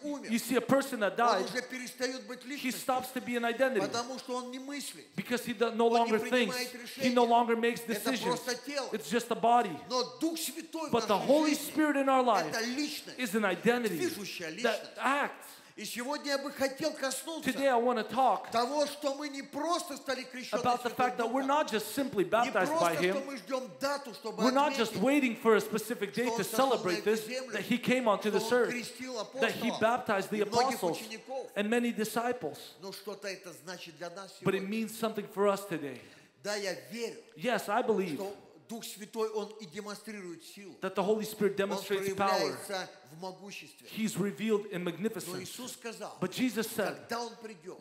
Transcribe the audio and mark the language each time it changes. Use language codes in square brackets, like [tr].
[en] You see a person that died, he stops to be an identity because he no longer thinks. He no longer makes decisions. It's just a body. But the Holy Spirit in our life is an identity that acts. [ru] И сегодня я бы хотел коснуться [en] Today I want to talk [ru] того, что мы не просто стали крещёнными [en] About the fact that we're not just simply baptized by him. [ru] Не просто что мы ждём дату, чтобы [en] We're not just waiting for a specific day to celebrate this that he came onto this earth. That he baptized the apostles and many disciples. [ru] Но что-то это значит для нас сегодня. [en] But it means something for us today. [ru] Да, я верю. [en] Yes, I believe. [ru] Дух Святой он и демонстрирует силу. [en] That the Holy Spirit demonstrates [ru] он проявляется [en] power. [ru] В могуществе. [en] He's revealed in magnificence. [ru] Но Иисус сказал, [en] But Jesus said, [ru] когда он придет,